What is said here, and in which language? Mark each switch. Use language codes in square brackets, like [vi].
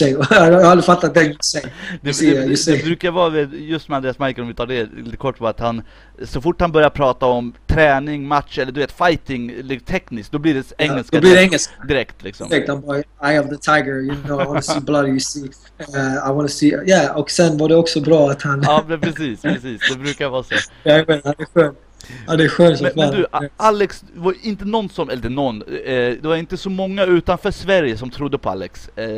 [sv] Jag har fattat det, [en] you say. [sv] Det brukar vara just med Andreas Michael, om vi tar det lite kort, att han, så fort han börjar prata om träning, match eller du vet [en] fighting like, [sv] tekniskt, då blir det engelska, då blir det engelska direkt liksom. [en] Eye of the tiger, you know, I want to see blood, you see. I want to see, yeah. [sv] Och sen var det också bra att han ja, men precis, det brukar vara så. Ja, men han är skön. Ja, det är skönt, så men du, Alex, var inte någon som, eller någon, det var inte så många utanför Sverige som trodde på Alex.